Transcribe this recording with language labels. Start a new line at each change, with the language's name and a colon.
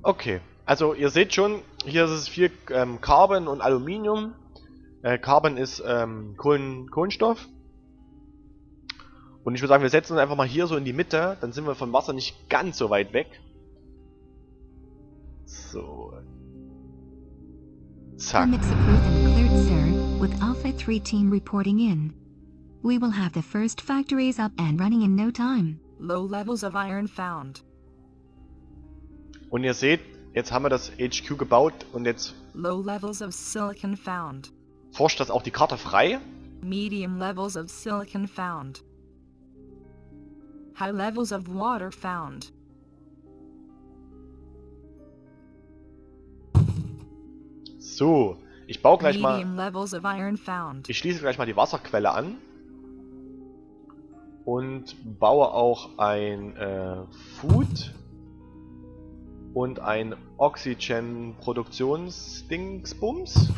German: Okay, also ihr seht schon, hier ist es viel Carbon und Aluminium. Carbon ist Kohlenstoff. Und ich würde sagen, wir setzen uns einfach mal hier so in die Mitte, dann sind wir vom Wasser nicht ganz so weit weg. So.
English: Permit approved and cleared, sir, with Alpha 3 team reporting in. We will have the first factories up and running in no time. Low levels of iron found.
German: Und ihr seht, jetzt haben wir das HQ gebaut und jetzt
English: Low levels of silicon found.
German: forscht das auch die Karte frei.
English: Medium levels of silicon found. High levels of water found.
German: So, ich baue gleich mal.
English: Medium levels of iron found.
German: Ich schließe gleich mal die Wasserquelle an. Und baue auch ein Food. Und ein Oxygen-Produktions-Dingsbums.